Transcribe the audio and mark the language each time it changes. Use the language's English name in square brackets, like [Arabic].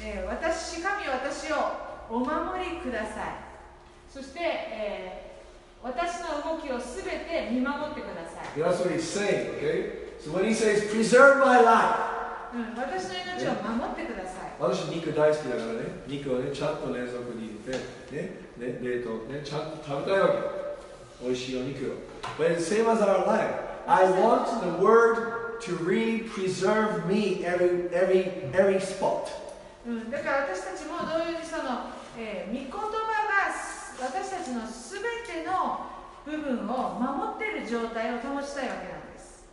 [Japanese] 私、神よ私をお守りください。そして、私の動きをすべて見守ってください。 [English] That's what he's saying, okay? So when he says, preserve my life. [Japanese] 私の命を守ってください。私肉大好きだからね。肉をね、ちゃんと冷蔵庫に入れて、ね、冷凍ね、ちゃんと食べたいわけ。美味しいお肉を。 [English] But it's the same as our life. I want the word to re-preserve me every spot. [Japanese] だから私たちも同様にその、御言葉が私たちのすべての部分を守っている状態を保ちたいわけなんです。